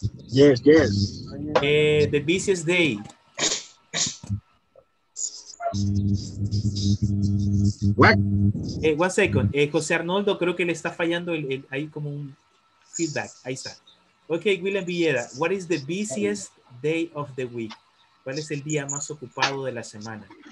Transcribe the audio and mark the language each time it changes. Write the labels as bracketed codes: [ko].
[en] Yes. The busiest day. What? One second. [es] José Arnoldo, creo que le está fallando el ahí como un feedback. Ahí está. [en] Okay, William Villeda, what is the busiest day of the week? [es] ¿Cuál es el día más ocupado de la semana?